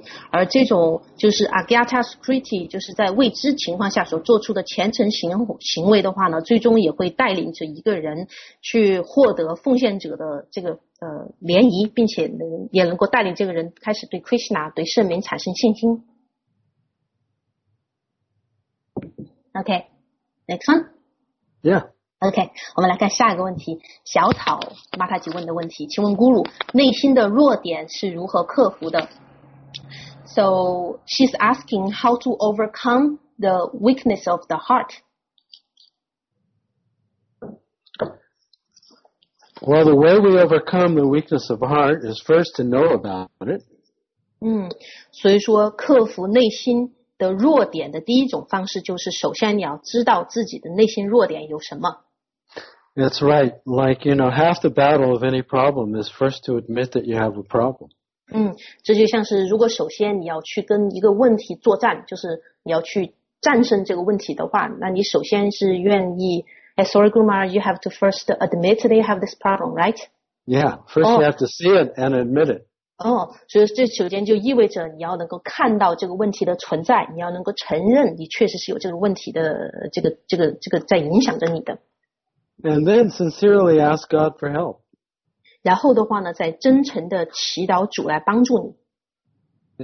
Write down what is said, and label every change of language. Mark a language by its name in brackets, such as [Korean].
[Chinese] 而这种就是 agyata sukriti， 就是在未知情况下所做出的虔诚行为的话呢，最终也会带领着一个人去获得奉献者的这个涟漪，并且也能够带领这个人开始对 Krishna 对圣明产生信心。 [English] OK， next one。 Yeah。 [Chinese] OK， 我们来看下一个问题，小草马塔吉问的问题，请问 Guru 内心的弱点是如何克服的？ [English] So she's asking how to overcome the weakness of the heart. Well, the way we overcome the weakness of heart is first to know about it. [Chinese] 所以说克服内心的弱点的第一种方式就是首先你要知道自己的内心弱点有什么。 [English] That's right. Like, you know, half the battle of any problem is first to admit that you have a problem. [Chinese] 这就像是如果首先你要去跟一个问题作战，就是你要去战胜这个问题的话，那你首先是愿意 [English] Sorry, Guru Maharaj, you have to first admit that you have this problem, right? Yeah, first you have to see it and admit it. [Chinese] 所以这首先就意味着你要能够看到这个问题的存在，你要能够承认你确实是有这个问题的，这个在影响着你的。 [English] And then sincerely ask God for help. [Chinese] 然后的话呢，再真诚的祈祷主来帮助你。